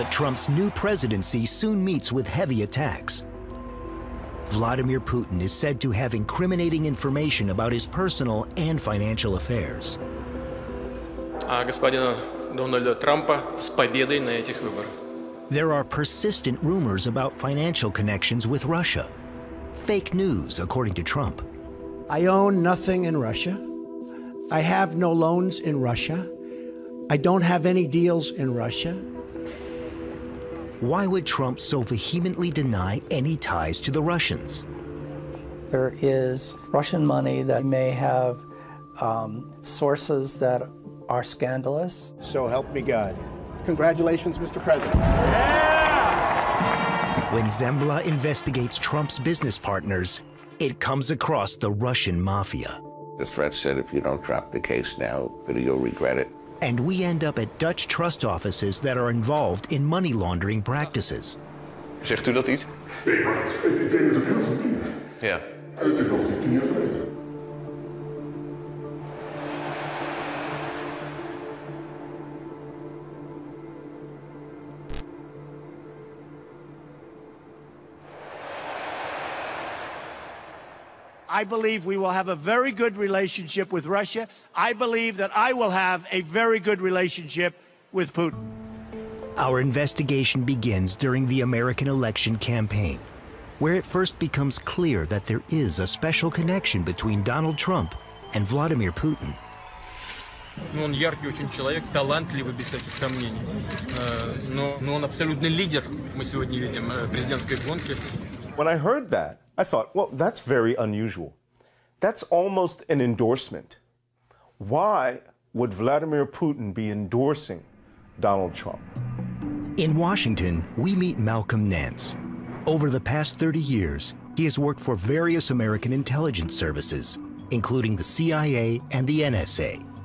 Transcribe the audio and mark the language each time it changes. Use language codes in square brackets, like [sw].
[en] But Trump's new presidency soon meets with heavy attacks. Vladimir Putin is said to have incriminating information about his personal and financial affairs. [ru] Господина Дональда Трампа с победой на этих выборах. [en] There are persistent rumors about financial connections with Russia. Fake news, according to Trump. I own nothing in Russia. I have no loans in Russia. I don't have any deals in Russia. Why would Trump so vehemently deny any ties to the Russians? There is Russian money that may have sources that are scandalous. So help me God. Congratulations, Mr. President. Yeah! When Zembla investigates Trump's business partners, it comes across the Russian mafia. The threat said if you don't drop the case now, then you'll regret it. And we end up at Dutch trust offices that are involved in money laundering practices. [nl] Zegt u dat iets? Nee, maar ik denk dat ik heel veel dingen. Ja. Uit de hoofd van 10 jaar geleden. [en] I believe we will have a very good relationship with Russia. I believe that I will have a very good relationship with Putin. Our investigation begins during the American election campaign, where it first becomes clear that there is a special connection between Donald Trump and Vladimir Putin. [ru] Ну, он яркий очень человек, талантливый, без всяких сомнений. Но он абсолютный лидер. Мы сегодня видим президентской гонки. [en] When I heard that, I thought, well, that's very unusual. That's almost an endorsement. Why would Vladimir Putin be endorsing Donald Trump? In Washington, we meet Malcolm Nance. Over the past 30 years, he has worked for various American intelligence services, including the CIA and the NSA.